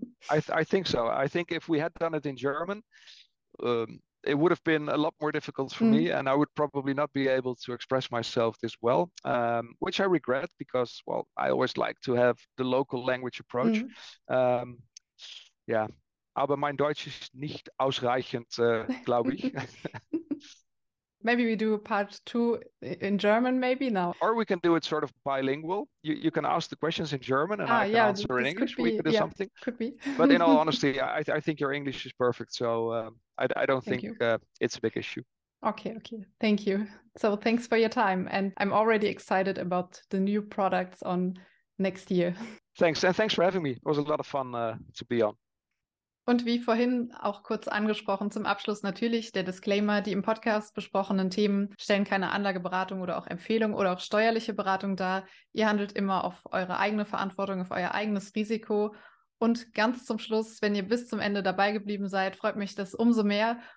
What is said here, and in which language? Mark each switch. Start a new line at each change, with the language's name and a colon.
English: I think so. I think if we had done it in German, it would have been a lot more difficult for me, and I would probably not be able to express myself this well, which I regret because, well, I always like to have the local language approach.
German: Aber mein Deutsch ist nicht ausreichend, glaube ich.
English: Maybe we do a part two in German, maybe now. Or we can do it sort of bilingual. You can ask the questions in German and I can answer in English. Could be, we could do something. Could be. But in all honesty, I think your English is perfect. So I don't Thank think you. It's a big issue. Okay. Thank you. So thanks for your time. And I'm already excited about the new products on next year. Thanks. And thanks for having me. It was a lot of fun to be on.
German: Und wie vorhin auch kurz angesprochen, zum Abschluss natürlich der Disclaimer, die im Podcast besprochenen Themen stellen keine Anlageberatung oder auch Empfehlung oder auch steuerliche Beratung dar. Ihr handelt immer auf eure eigene Verantwortung, auf euer eigenes Risiko. Und ganz zum Schluss, wenn ihr bis zum Ende dabei geblieben seid, freut mich das umso mehr.